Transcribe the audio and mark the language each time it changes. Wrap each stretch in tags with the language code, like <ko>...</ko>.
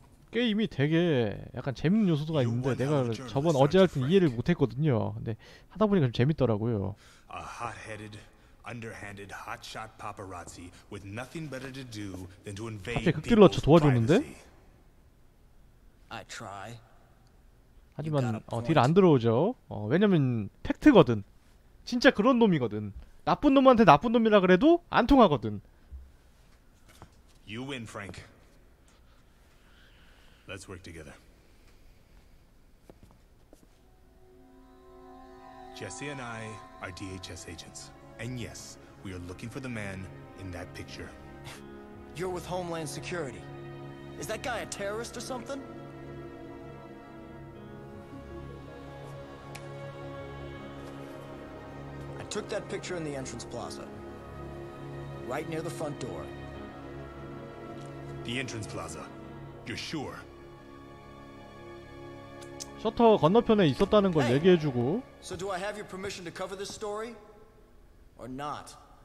<ko>게임이 되게 약간 재밌는 요소도가 있는데 내가 저번 어제 할 때 이해를 못했거든요. 근데 하다 보니까 좀 재밌더라고요.</ko> <en>A hot-headed, underhanded, hotshot paparazzi with nothing better to do than to invade people's privacy. I try.</en> <ko>하지만 딜 안 들어오죠. 왜냐면 팩트거든. 진짜 그런 놈이거든. 나쁜 놈한테 나쁜 놈이라 그래도 안 통하거든.</ko> <en>You win, Frank. Let's work together. Jesse and I are DHS agents. And yes, we are looking for the man in that picture. You're with Homeland Security. Is that guy a terrorist or something? I took that picture in the entrance plaza. Right near the front door. The entrance plaza. You're sure?</en> <ko>셔터 건너편에 있었다는 걸 얘기해 주고.</ko> <en>So do I have your permission to cover this story or not?</en>